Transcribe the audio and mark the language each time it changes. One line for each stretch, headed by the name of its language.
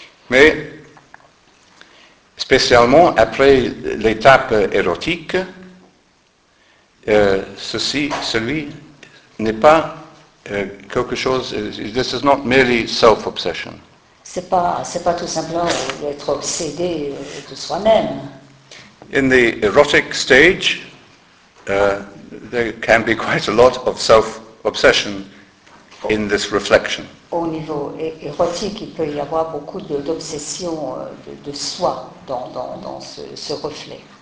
French: Mais, spécialement après l'étape érotique, celui n'est pas quelque chose,
English: this is not merely self-obsession.
French: C'est pas tout simplement d'être obsédé de soi-même.
English: In the erotic stage, there can be quite a lot of self-obsession in this reflection.
French: Au niveau érotique, il peut y avoir beaucoup d'obsession de soi dans ce reflet.